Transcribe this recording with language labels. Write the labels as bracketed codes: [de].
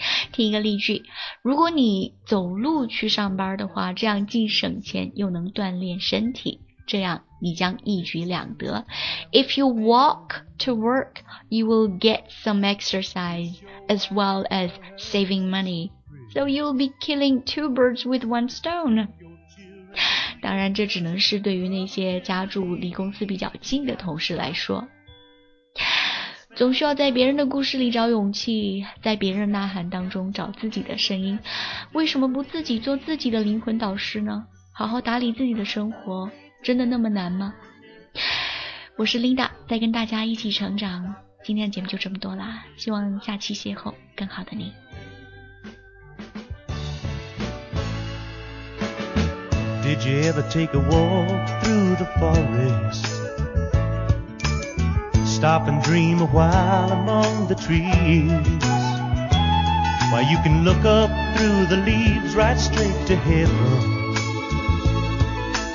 [zh] 听一个例句，如果你走路去上班的话，这样既省钱又能锻炼身体，这样你将一举两得。 [en] If you walk to work, you will get some exercise as well as saving money. So you'll be killing two birds with one stone. [zh] 当然，这只能是对于那些家住离公司比较近的同事来说。总需要在别人的故事里找勇气，在别人呐喊当中找自己的声音。为什么不自己做自己的灵魂导师呢？好好打理自己的生活，真的那么难吗？我是 Linda， 在跟大家一起成长。今天的节目就这么多啦，希望下期邂逅更好的你。 [en] Did you ever take a walk through the forest? Stop and dream a while among the trees. Why, you can look up through the leaves right straight to heaven.